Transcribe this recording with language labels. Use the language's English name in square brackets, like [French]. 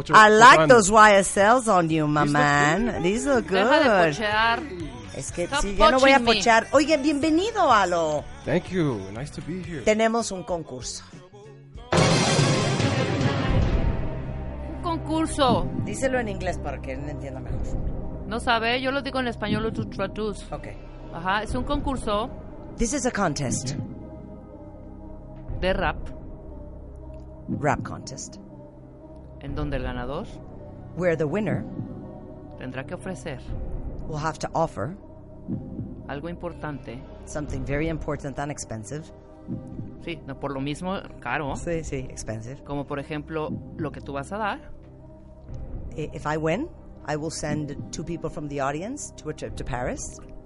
[English] I like those YSLs on you, my man. These look good. [Spanish] Deja de pochear. Es que sí, ya no voy a pochear. Oye, bienvenido, Alo. [English] Thank you. Nice to be here. [Spanish] Tenemos un concurso. Concurso. Díselo en inglés para que él entienda mejor. No sabe, yo lo digo en español. Lo traduzco. [English] Okay. [Spanish] Ajá, es un concurso. [English] This is a contest. [Spanish] De rap. [English] Rap contest. [Spanish] En donde el ganador. [English] Where the winner. [Spanish] Tendrá que ofrecer. [English] Will have to offer. [Spanish] Algo importante. [English] Something very important and expensive. [Spanish] Sí, no, por lo mismo, caro. Sí, sí, expensive. Como por ejemplo, lo que tú vas a dar. [English] If I win, I will send two people from the audience to a trip to Paris.